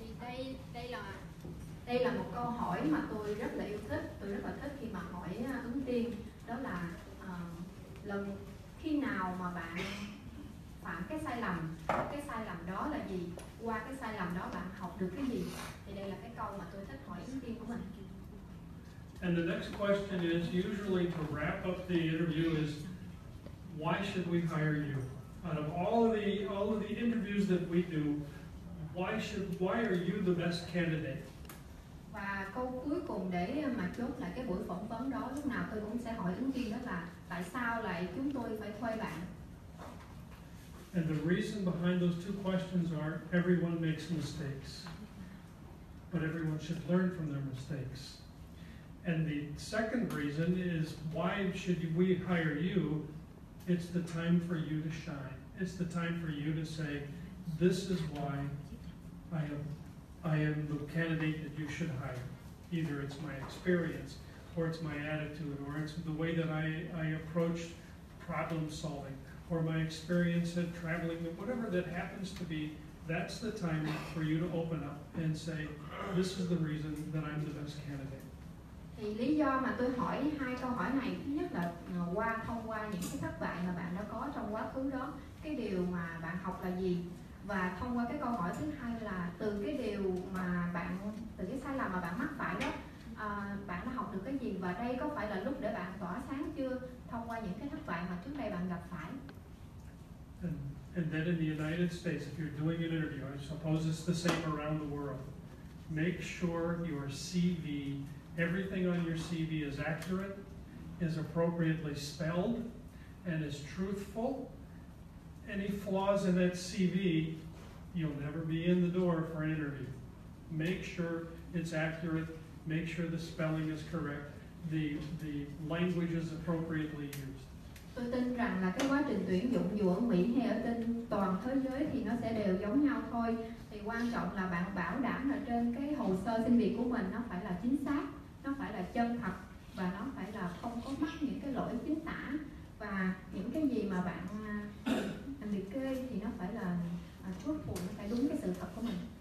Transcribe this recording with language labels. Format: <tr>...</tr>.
<vi>Thì đây là một câu hỏi mà tôi rất là yêu thích. Tôi rất là thích khi mà hỏi ứng viên. Đó là lần khi nào mà bạn phạm cái sai lầm đó là gì? Qua cái sai lầm đó bạn học được cái gì? Thì đây là cái câu mà tôi thích hỏi ứng viên của mình.</vi> <en>And the next question is, usually to wrap up the interview, is why should we hire you? Out of all of the interviews that we do, why are you the best candidate?</en> <vi>Và câu cuối cùng để mà chốt lại cái buổi phỏng vấn đó, lúc nào tôi cũng sẽ hỏi ứng viên đó là tại sao lại chúng tôi phải thuê bạn?</vi> <en>And the reason behind those two questions are everyone makes mistakes, but everyone should learn from their mistakes. And the second reason is, why should we hire you? It's the time for you to shine. It's the time for you to say, this is why I am the candidate that you should hire. Either it's my experience, or it's my attitude, or it's the way that I approach problem solving, or my experience at traveling, whatever that happens to be, that's the time for you to open up and say, this is the reason that I'm the best candidate.</en> <vi>Thì lý do mà tôi hỏi hai câu hỏi này, thứ nhất là thông qua những cái thất bại mà bạn đã có trong quá khứ đó, cái điều mà bạn học là gì, và thông qua cái câu hỏi thứ hai là từ cái sai lầm mà bạn mắc phải đó, bạn đã học được cái gì, và đây có phải là lúc để bạn tỏa sáng chưa thông qua những cái thất bại mà trước đây bạn gặp phải.</vi> <en>And then in the United States, if you're doing an interview, I suppose it's the same around the world, make sure your CV, everything on your CV is accurate, is appropriately spelled, and is truthful. Any flaws in that CV, you'll never be in the door for an interview. Make sure it's accurate, make sure the spelling is correct, the language is appropriately used.</en> <vi>Tôi tin rằng là cái quá trình tuyển dụng dù ở Mỹ hay ở trên toàn thế giới thì nó sẽ đều giống nhau thôi. Thì quan trọng là bạn bảo đảm là trên cái hồ sơ xin việc của mình nó phải là chính xác, nó phải là chân thật và nó phải là không có mắc những cái lỗi chính tả. Và những cái gì mà bạn liệt kê thì nó phải là truthful, nó phải đúng cái sự thật của mình.</vi>